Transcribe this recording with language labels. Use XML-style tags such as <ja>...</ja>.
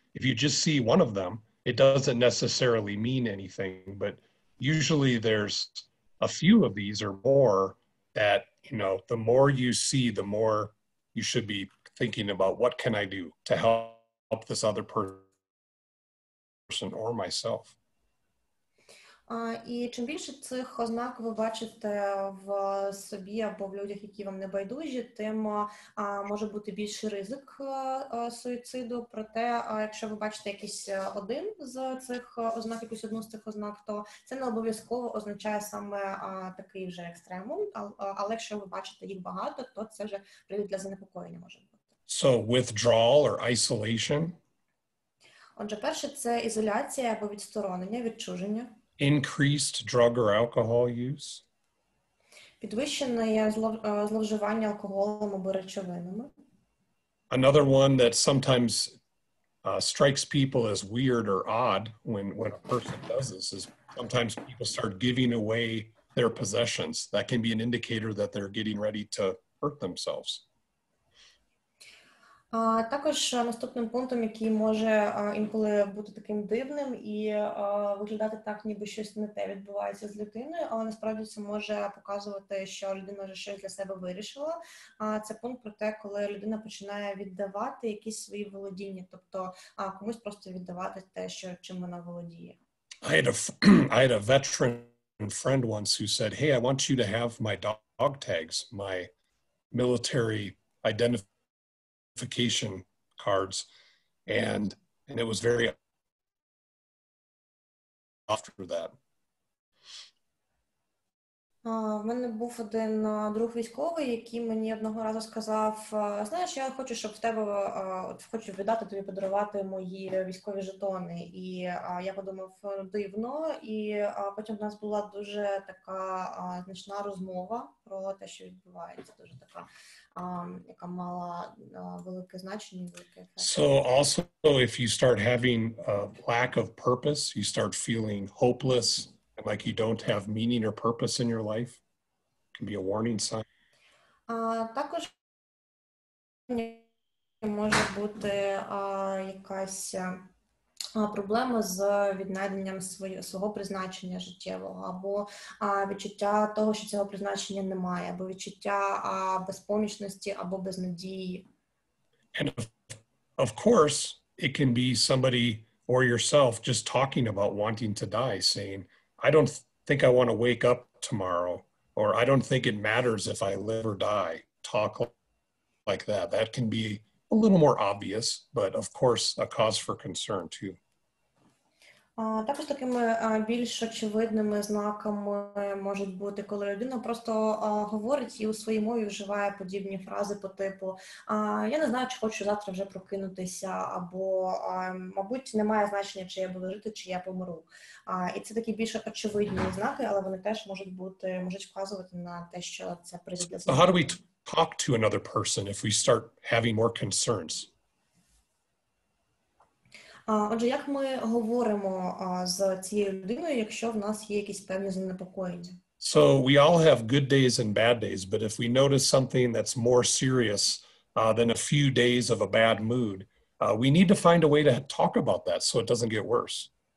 <en>If you just see one of them, it doesn't necessarily mean anything, but usually there's a few of these or more that, you know, the more you see, the more you should be thinking about what can I do to help this other person or myself.</en> <uk>І чим більше цих ознак ви бачите в собі або в людях, які вам не байдужі, тим може бути більший ризик суїциду. Проте, якщо ви бачите якийсь один з цих ознак, якусь одну з цих ознак, то це не обов'язково означає саме такий вже екстремум. Але якщо ви бачите їх багато, то це вже привід для занепокоєння може бути.</uk> <en>So withdrawal or isolation?</en> <uk>Отже, перше – це ізоляція або відсторонення, відчуження.</uk> <en>Increased drug or alcohol use.</en> <uk>Підвищене зловживання алкоголем або речовинами.</uk> <en>Another one that sometimes strikes people as weird or odd when a person does this is sometimes people start giving away their possessions. That can be an indicator that they're getting ready to hurt themselves.</en> <uk>Також наступним пунктом, який може інколи бути таким дивним і виглядати так, ніби щось не те відбувається з людиною, але насправді це може показувати, що людина вже щось для себе вирішила. Це пункт про те, коли людина починає віддавати якісь свої володіння, тобто комусь просто віддавати те, що чим вона володіє.</uk> <en>I had a veteran friend once who said, "Hey, I want you to have my dog tags, my military identification cards," and it was very after that.</en> <uk>В мене був один друг військовий, який мені одного разу сказав, знаєш, я хочу, щоб в тебе, хочу віддати тобі, подарувати мої військові жетони. І я подумав, дивно, і потім в нас була дуже така значна розмова про те, що відбувається, дуже така, яка мала велике значення. Велике.</uk> <en>So also, if you start having a lack of purpose, you start feeling hopeless, like you don't have meaning or purpose in your life, can be a warning sign.</en> <uk>Також може бути якась проблема з віднайденням свого призначення життєвого, або відчуття того, що цього призначення немає, або відчуття безпомічності або безнадії.</uk> <en>And of course, it can be somebody or yourself just talking about wanting to die, saying, I don't think I want to wake up tomorrow, or I don't think it matters if I live or die. Talk like that. That can be a little more obvious, but of course, a cause for concern too.</en> <uk>Також такими більш очевидними знаками можуть бути, коли людина просто говорить і у своїй мові вживає подібні фрази по типу «Я не знаю, чи хочу завтра вже прокинутися», або «Мабуть, немає значення, чи я буду жити, чи я помру». І це такі більш очевидні знаки, але вони теж можуть бути, можуть вказувати на те, що це прийде для змін.</uk> <en>How do we talk to another person if we start having more concerns?</en> <uk>Отже, як ми говоримо з цією людиною, якщо в нас є якісь певні занепокоєння?</uk> <en>So we all have good days and bad days, but if we notice something that's more serious than a few days of a bad mood, we need to find a way to talk about that so it doesn't get worse.</en>